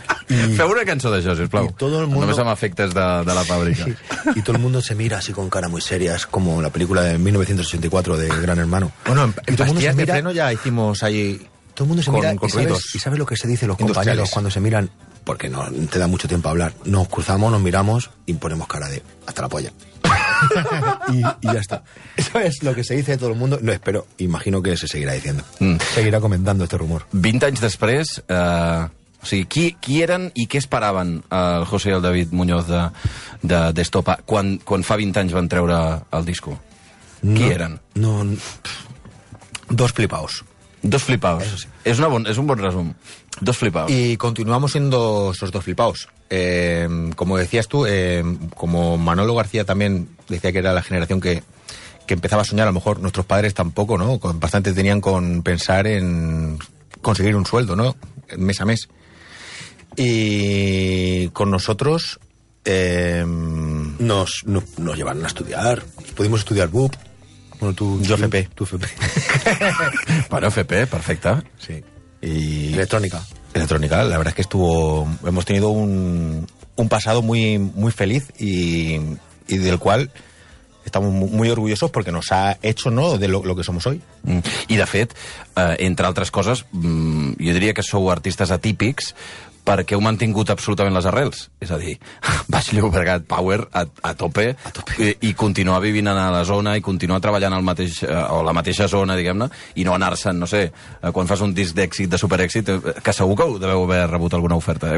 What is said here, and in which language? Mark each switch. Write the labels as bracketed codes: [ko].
[ca] Feu una cançó d'això, sisplau. Només amb efectes de la fàbrica. Sí. [es] Y todo el mundo se mira así con cara muy seria. Es como la película de 1984 de Gran Hermano. Bueno, en Pastillas de Freno ya hicimos ahí... Todo el mundo se mira con ruidos. ¿Y sabes lo que se dice los compañeros cuando se miran? Porque no te da mucho tiempo a hablar. Nos cruzamos, nos miramos y ponemos cara de hasta la polla. Y ya está. Eso es lo que se dice de todo el mundo. No, espero, imagino que se seguirá diciendo. Seguirá comentando este rumor. [ca] 20 anys després, o sigui, qui eren i què esperaven el José i el David Muñoz d'Estopa quan fa 20 anys van treure el disco? No, qui eren? [es] No, dos flipaos. Dos flipaos. Eso sí. Es un buen resum. Dos flipaos. Y continuamos siendo esos dos flipaos. Como decías tú, como Manolo García también decía que era la generación que empezaba a soñar, a lo mejor nuestros padres tampoco, ¿no? Bastante tenían con pensar en conseguir un sueldo, ¿no? Mes a mes. Y con nosotros... Nos llevaron a estudiar. Pudimos estudiar BUP. Bueno, tú FP. Bueno, FP, perfecta. Sí. Y... Electrónica. Electrónica, la verdad es que estuvo... Hemos tenido un pasado muy, muy feliz y del cual estamos muy orgullosos porque nos ha hecho, ¿no?, de lo que somos hoy. [ca] Y de fet, entre altres coses, jo diria que sou artistes atípics perquè heu mantingut absolutament les arrels. És a dir, Baix Llobregat Power a tope, a tope. I continuar vivint a la zona i continuar treballant al mateix, o la mateixa zona, diguem-ne, i no anar-se'n, no sé, quan fas un disc d'èxit, de superèxit, que segur que deveu haver rebut alguna oferta, eh?